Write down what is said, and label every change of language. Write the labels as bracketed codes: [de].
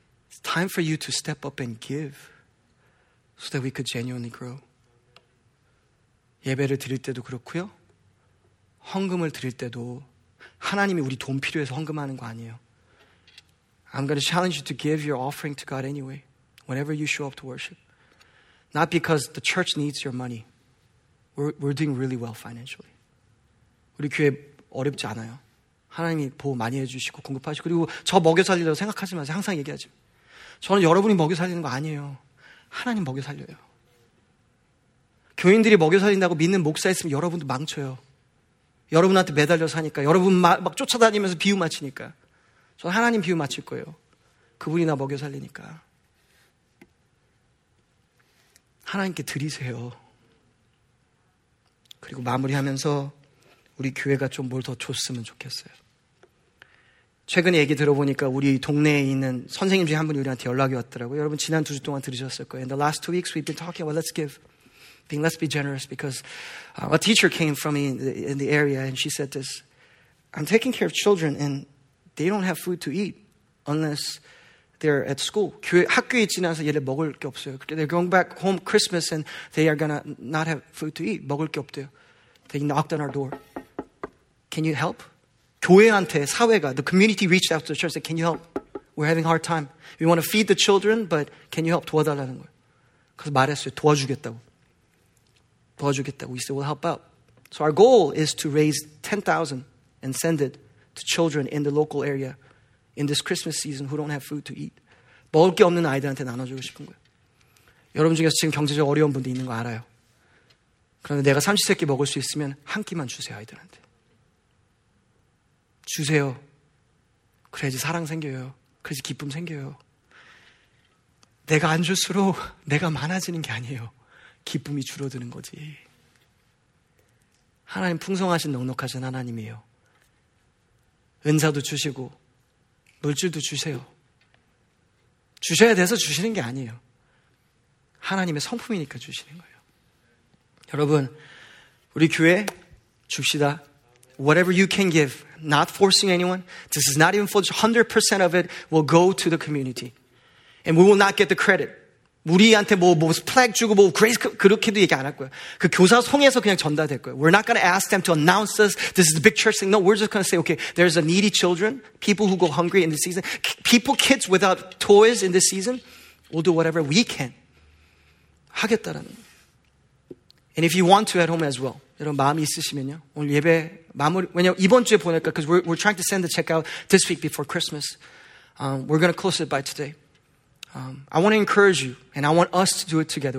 [en] It's time for you to step up and give so that we could genuinely grow. [ko] 예배를 드릴 때도 그렇고요. 헌금을 드릴 때도 하나님이 우리 돈 필요해서 헌금하는 거 아니에요. [en] I'm going to challenge you to give your offering to God anyway, whenever you show up to worship. Not because the church needs your money. We're doing really well financially. [ko] 우리 교회 어렵지 않아요. 하나님이 보호 많이 해주시고 공급하시고 그리고 저 먹여 살리려고 생각하지 마세요. 항상 얘기하지. 저는 여러분이 먹여 살리는 거 아니에요. 하나님 먹여 살려요. 교인들이 먹여 살린다고 믿는 목사 있으면 여러분도 망쳐요. 여러분한테 매달려 사니까 여러분 막 쫓아다니면서 비유 맞히니까 저는 하나님 비유 맞힐 거예요. 그분이 나 먹여 살리니까. 하나님께 드리세요. 그리고 마무리하면서 우리 교회가 좀 뭘 더 줬으면 좋겠어요. 최근에 얘기 들어보니까 우리 동네에 있는 선생님 중에 한 분이 우리한테 연락이 왔더라고요. 여러분 지난 두 주 동안 들으셨을 거예요. [en] In the last two weeks we've been talking about let's give. Being, let's be generous because a teacher came from me in the area and she said this. I'm taking care of children and they don't have food to eat unless they're at school. [ko] 학교에 지나서 얘네 먹을 게 없어요. [en] They're going back home Christmas and they are going to not have food to eat. [ko] 먹을 게 없대요. [en] They knocked on our door. Can you help? [ko] 교회한테 사회가 [en] the community reached out to the church said, "Can you help? We're having a hard time. We want to feed the children, but can you help [ko] 도와달라는 거예요." 그래서 말했어요. 도와주겠다고. [en] We said, "We'll help out." So our goal is to raise 10,000 and send it to children in the local area in this Christmas season who don't have food to eat. [ko] 먹을 게 없는 아이들한테 나눠 주고 싶은 거예요. 여러분 중에서 지금 경제적 어려운 분도 있는 거 알아요. 그런데 내가 삼시세끼 먹을 수 있으면 한 끼만 주세요, 아이들한테. 주세요. 그래야지 사랑 생겨요. 그래야지 기쁨 생겨요. 내가 안 줄수록 내가 많아지는 게 아니에요. 기쁨이 줄어드는 거지. 하나님 풍성하신 넉넉하신 하나님이에요. 은사도 주시고 물질도 주세요. 주셔야 돼서 주시는 게 아니에요. 하나님의 성품이니까 주시는 거예요. 여러분, 우리 교회 줍시다. [en] Whatever you can give, not forcing anyone. This is not even for 100% of it will go to the community. And we will not get the credit. [ko] 우리한테 뭐 플렉 주고 뭐 그레이스 그렇게도 얘기 안 할 거예요. 그 교사 통해서 그냥 전달될 거예요. [en] We're not going to ask them to announce us. This is the big church thing. No, we're just going to say, okay, there's a needy children, people who go hungry in this season, people, kids without toys in this season. We'll do whatever we can. [ko] 하겠다라는 거예요. [en] And if you want to at home as well. [ko] 여러분 마음이 있으시면요. 오늘 예배 마무리 왜냐 이번 주에 보낼까? [en] Because we're trying to send the check out this week before Christmas. We're going to close it by today. I want to encourage you and I want us to do it together.